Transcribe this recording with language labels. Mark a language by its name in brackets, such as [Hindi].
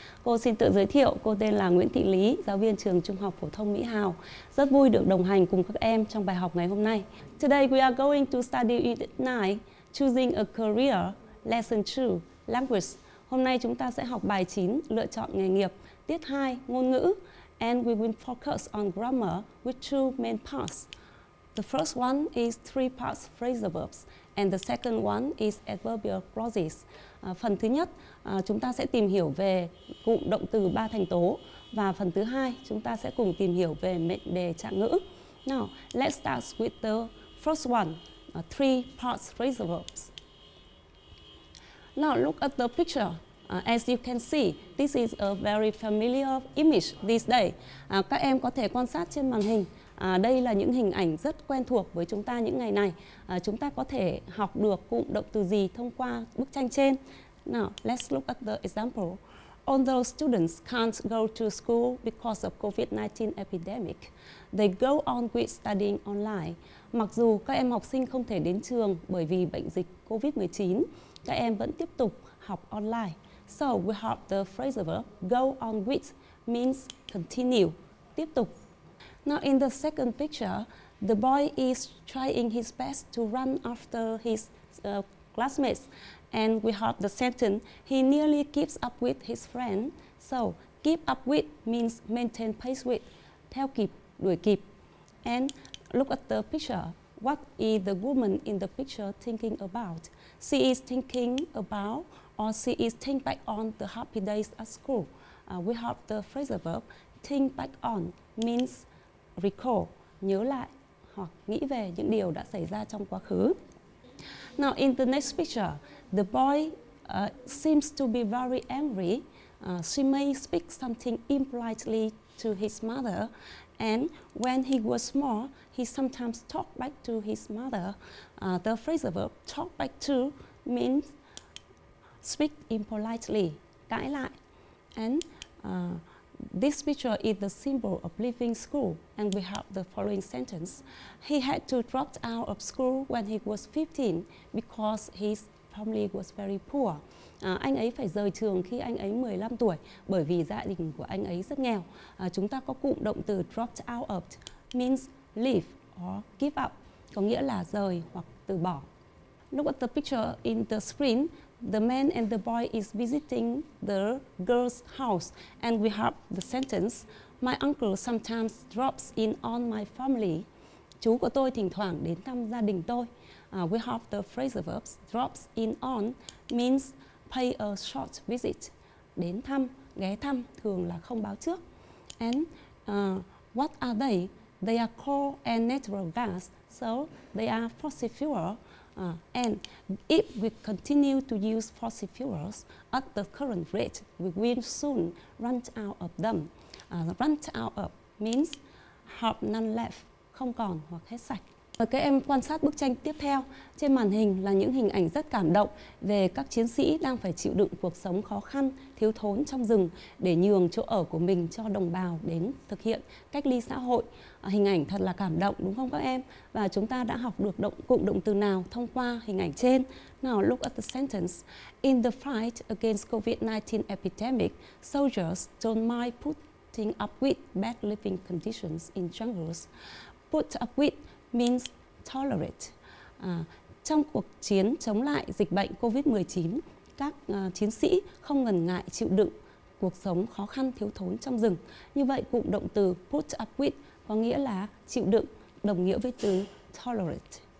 [Vietnamese] Cô xin tự giới thiệu, cô tên là Nguyễn Thị Lý, giáo viên trường Trung học Phổ thông Mỹ Hào. Rất vui được đồng hành cùng các em trong bài học ngày hôm nay. [English] Today we are going to study unit 9, Choosing a Career, Lesson 2, Language. [Vietnamese] Hôm nay chúng ta sẽ học bài 9, Lựa chọn nghề nghiệp, tiết 2, Ngôn ngữ. [English] And we will focus on grammar with two main parts. The first one is three parts phrasal verbs, and the second one is adverbial clauses. [Vietnamese] Phần thứ nhất, chúng ta sẽ tìm hiểu về cụm động từ ba thành tố, và phần thứ hai, chúng ta sẽ cùng tìm hiểu về mệnh đề trạng ngữ. [English] Now, let's start with the first one, three parts phrasal verbs. Now, look at the picture. As you can see, this is a very familiar image these days. [Vietnamese] Các em có thể quan sát trên màn hình. Đây là những hình ảnh rất quen thuộc với chúng ta những ngày này. Chúng ta có thể học được cụm động từ gì thông qua bức tranh trên. [English] Now, let's look at the example. Although students can't go to school because of COVID-19 epidemic, they go on with studying online. [Vietnamese] Mặc dù các em học sinh không thể đến trường bởi vì bệnh dịch COVID-19, các em vẫn tiếp tục học online. [English] So, we have the phrasal verb go on with means continue, tiếp tục. Now, in the second picture, the boy is trying his best to run after his classmates. And we have the sentence, he nearly keeps up with his friend. So, keep up with means maintain pace with, [Vietnamese] theo kịp, đuổi kịp. [English] And look at the picture. What is the woman in the picture thinking about? She is thinking about or she is thinking back on the happy days at school. We have the phrasal verb, think back on means recall, [Vietnamese] nhớ lại hoặc nghĩ về những điều đã xảy ra trong quá khứ. [English] Now, in the next picture, the boy seems to be very angry. She may speak something impolitely to his mother. And when he was small, he sometimes talked back to his mother. The phrasal verb talk back to means speak impolitely, cãi lại. And this picture is the symbol of leaving school, and we have the following sentence. He had to drop out of school when he was 15 because his family was very poor. [Vietnamese] Anh ấy phải rời trường khi anh ấy 15 tuổi bởi vì gia đình của anh ấy rất nghèo. Chúng ta có cụm động từ [English] dropped out of means leave or give up, [Vietnamese] có nghĩa là rời hoặc từ bỏ. [English] Look at the picture in the screen. The man and the boy is visiting the girl's house, and we have the sentence, my uncle sometimes drops in on my family. [Vietnamese] Chú của tôi thỉnh thoảng đến thăm gia đình tôi. [English] We have the phrasal verbs, drops in on means pay a short visit, [Vietnamese] đến thăm, ghé thăm, thường là không báo trước. [English] And what are they? They are coal and natural gas, so they are fossil fuel. And if we continue to use fossil fuels at the current rate, we will soon run out of them. Run out of means have none left, [Vietnamese] không còn hoặc hết sạch. Các em quan sát bức tranh tiếp theo. Trên màn hình là những hình ảnh rất cảm động về các chiến sĩ đang phải chịu đựng cuộc sống khó khăn, thiếu thốn trong rừng để nhường chỗ ở của mình cho đồng bào đến thực hiện cách ly xã hội. Hình ảnh thật là cảm động, đúng không các em? Và chúng ta đã học được cụm động từ nào thông qua hình ảnh trên? [English] Now, look at the sentence. In the fight against COVID-19 epidemic, soldiers don't mind putting up with bad living conditions in jungles. Put up with means tolerate. [Vietnamese] Trong cuộc chiến chống lại dịch bệnh COVID-19, các chiến sĩ không ngần ngại chịu đựng cuộc sống khó khăn thiếu thốn trong rừng. Như vậy, cụm động từ put up with có nghĩa là chịu đựng, đồng nghĩa với từ tolerate.